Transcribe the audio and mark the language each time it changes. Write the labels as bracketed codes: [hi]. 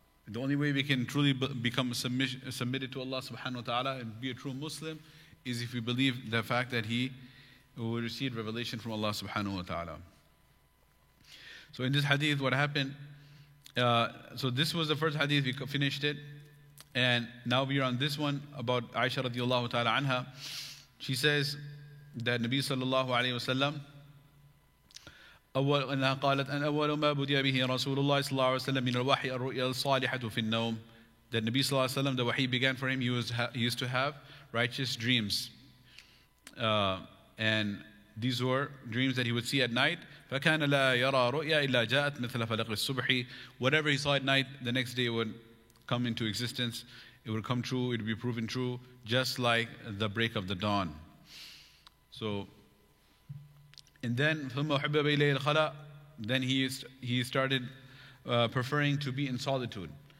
[en] The only way we can truly become submitted to Allah subhanahu wa ta'ala and be a true Muslim is if we believe the fact that he will receive revelation from Allah subhanahu wa ta'ala. So in this hadith, what happened? So this was the first hadith, we finished it. And now we are on this one about Aisha radiallahu ta'ala anha. She says that Nabi sallallahu alayhi wa sallam, [ar] أول أنها قالت أن أول ما بدي به رسول الله صلى الله عليه وسلم من الوحي الرؤيا الصالحة في النوم. [en] That Nabi صلى الله عليه وسلم, the wahi began for him, he used to have righteous dreams. And these were dreams that he would see at night. [ar] فكان لا يرى رؤيا إلا جاءت مثل فلق الصبح. [en] Whatever he saw at night, the next day would come into existence. It would come true, it would be proven true, just like the break of the dawn. So, and then [ar] ثم أحبب إليه الخلاء, [en] then he started preferring to be in solitude.